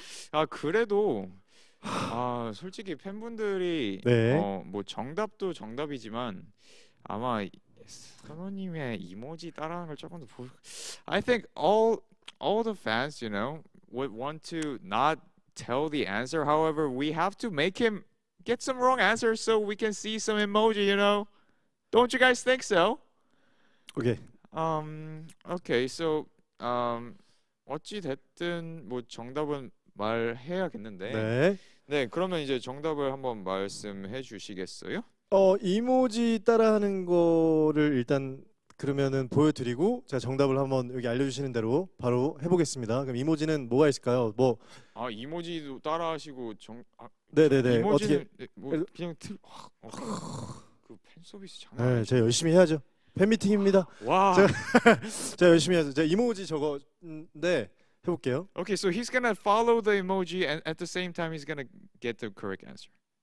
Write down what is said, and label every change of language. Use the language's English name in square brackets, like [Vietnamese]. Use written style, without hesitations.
[Korean] 아 그래도 아 솔직히 팬분들이 네. 뭐 정답도 정답이지만 아마 선호님의 이모지 따라하는 걸 조금 더 보. [English] I think all the fans, you know, would want to not tell the answer. However, we have to make him get some wrong answers so we can see some emoji. You know, don't you guys think so? Okay. Okay. [Korean] So 어찌 됐든 뭐 정답은 말해야겠는데. 네. 네. 그러면 이제 정답을 한번 말씀해 주시겠어요? 이모지 따라하는 거를 일단 그러면은 보여드리고 제가 정답을 한번 여기 알려주시는 대로 바로 해보겠습니다. 그럼 이모지는 뭐가 있을까요? 뭐? 아 이모지도 따라하시고 정. 아, 네네네. 이모지는 어떻게? 뭐 그냥 틀. 그 팬 서비스 장난. 네, 제가 열심히 해야죠. 팬미팅입니다. 와. 제가 열심히 해서 제가 이모지 저거 네 해볼게요. [English] Okay, so he's gonna follow the emoji and at the same time he's gonna get the correct answer.